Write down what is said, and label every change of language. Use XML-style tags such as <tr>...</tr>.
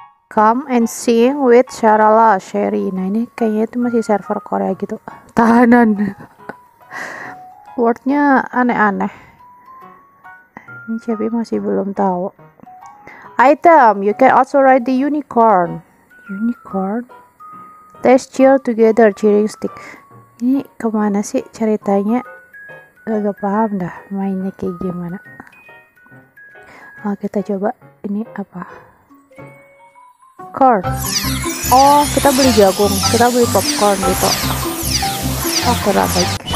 <en>Come and sing with Sharala Sherry.</en> <id>Nah, ini kayaknya itu masih server Korea gitu. Tahanan. Wordnya aneh-aneh. Ini Capi masih belum tahu.</id> <en>Item, you can also ride the unicorn. Unicorn? Let's cheer together, cheering stick.</en> <id>Ini kemana sih ceritanya? Gak paham dah mainnya kayak gimana. Oh, kita coba ini apa? Corn. Oh, kita beli jagung. Kita beli popcorn gitu. Oh, kurang baik.</id>